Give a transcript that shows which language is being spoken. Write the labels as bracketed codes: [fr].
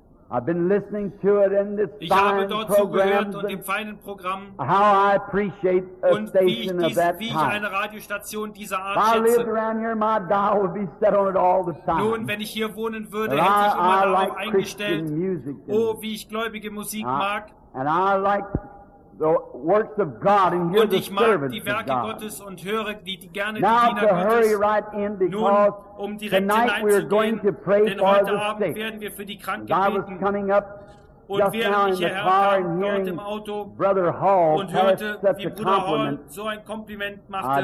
[en] I've been listening to it in this fine [de] Ich habe dort zugehört und dem feinen Programm. [en] How I appreciate a station of that [de] kind. Und wie ich eine Radiostation dieser Art schätze. [en] If I lived around here, my dial would be set on it all the time. [de] Nun, wenn ich hier wohnen würde, hätte ich immer darauf eingestellt. Oh, wie ich gläubige Musik mag. [en] And I like the works of God and hear the servants of God. [de] Und ich mag die Werke Gottes und höre die gerne [en] Now [de] die Diener Gottes. [en] Right in, [de] nun, um direkt hineinzugehen, denn heute Abend werden wir für die Kranken beten. [en] Coming up [de] und während ich hierher kam, dort im Auto, [en] Brother Hall [de] und hörte, wie Bruder Hall so ein Kompliment machte,